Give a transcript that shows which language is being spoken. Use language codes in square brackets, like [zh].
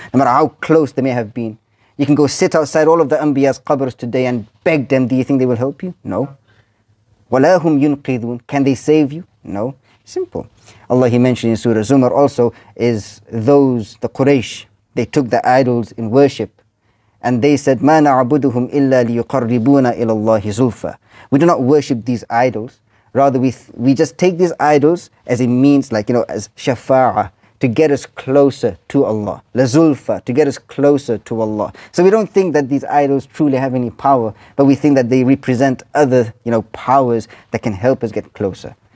[en] No matter how close they may have been, you can go sit outside all of the Anbiya's qabrs today and beg them, do you think they will help you? No. [ar] وَلَا هُمْ يُنْقِذُونَ, [en] can they save you? No. Simple. Allah, He mentioned in Surah Zumar also, is those, the Quraysh, they took the idols in worship. And they said, [ar] مَا نَعْبُدُهُمْ إِلَّا لِيُقَرِّبُونَ إِلَى اللَّهِ زُلْفًا. [en] We do not worship these idols. Rather, we just take these idols as a means, like, you know, as shafa'a, to get us closer to Allah. لَزُلْفًا, to get us closer to Allah. So we don't think that these idols truly have any power, but we think that they represent other, you know, powers that can help us get closer.